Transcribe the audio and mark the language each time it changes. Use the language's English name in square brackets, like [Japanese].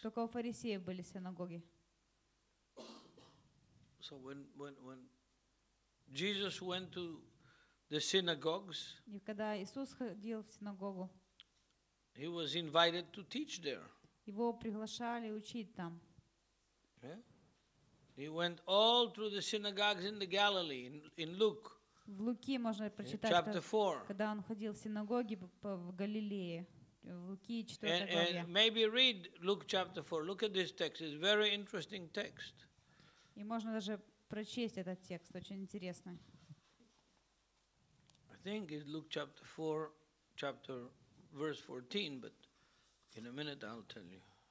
[Russian] Только у фарисеев были синагоги. [English] So when Jesus went to the synagogues, [Russian] и когда Иисус ходил в синагогу, [English] he was invited to teach there. [Russian] Его приглашали учить там. [English] Yeah. He went all through the synagogues in the Galilee in Luke. [Ukrainian] В Луки можна прочитати, коли він ходив в синагоги в Галілеї. В Луки 4 [English] главі. And maybe read Luke chapter 4. Look at this text. It's very interesting text. [Russian] І можна даже прочесть этот текст, очень интересный. [English] I think it's Luke chapter 4, chapter verse 14, but in a minute I'll tell you.